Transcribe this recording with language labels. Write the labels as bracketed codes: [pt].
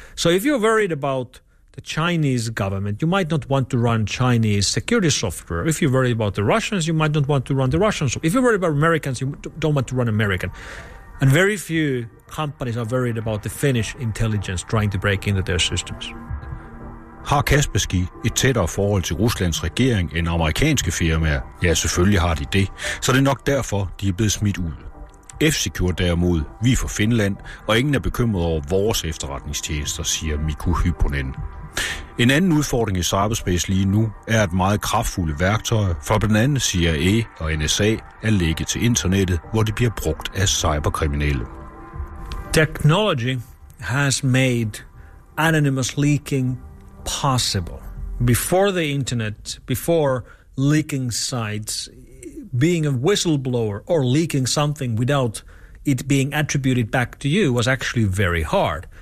[en] So if you're worried about the Chinese government, you might not want to run Chinese security software. If you're worried about the Russians, you might not want to run the Russian software. If you're worried about Americans, you don't want to run American. And very few companies are worried about the Finnish intelligence trying to break into their systems. [da] Har Kaspersky et tættere forhold til Ruslands regering end amerikanske firmaer? Ja, selvfølgelig har de det. Så det er nok derfor, de er blevet smidt ud. F-Secure derimod, vi er fra Finland, og ingen er bekymret over vores efterretningstjenester, siger Mikko Hyponen. En anden udfordring i cyberspace lige nu er, at meget kraftfulde værktøjer fra blandt andet CIA og NSA er lægget til internettet, hvor de bliver brugt af cyberkriminelle. [en] Technology has made anonymous leaking possible. Before the internet, before leaking sites, being a whistleblower or leaking something without it being attributed back to you was actually very hard.